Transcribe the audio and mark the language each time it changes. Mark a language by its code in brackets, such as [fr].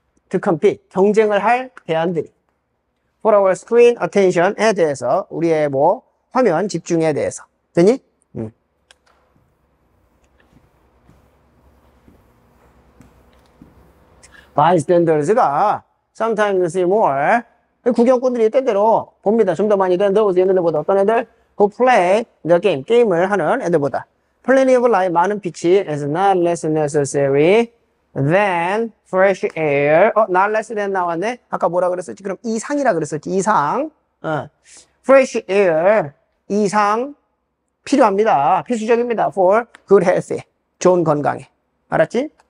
[en] To compete, [ko] 경쟁을 할 대안들이. [en] For our screen attention [ko] 에 대해서, 우리의 뭐, 화면 집중에 대해서. 되니? [en] 바이스탠더즈가 sometimes see more. [ko] 구경꾼들이 때때로 봅니다. 좀더 많이 된 those 얘네들보다 어떤 애들? [en] Who play the game, [ko] 게임을 하는 애들보다. [en] Plenty of light, [ko] 많은 빛이 [en] is not less necessary. Then, fresh air. Not less than 나왔네? [ko] 아까 뭐라 그랬었지? 그럼 이상이라 그랬었지. 이상. Fresh air. 이상. 필요합니다. 필수적입니다. [en] For good health [ko] 에. 좋은 건강에. 알았지?